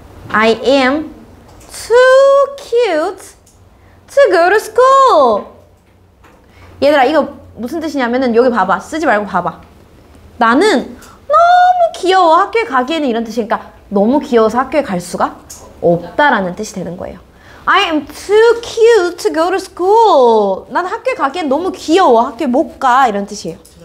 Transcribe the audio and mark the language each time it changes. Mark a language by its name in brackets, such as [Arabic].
[English] I am too cute to go to school. [Korean] 얘들아 이거 무슨 뜻이냐면은 여기 봐봐. 쓰지 말고 봐봐. 나는 너무 귀여워 학교에 가기에는 이런 뜻이. 그러니까 너무 귀여워서 학교에 갈 수가 없다라는 뜻이 되는 거예요. [English] I am too cute to go to school. [Korean] 난 학교에 가기엔 너무 귀여워. 학교에 못 가. 이런 뜻이에요.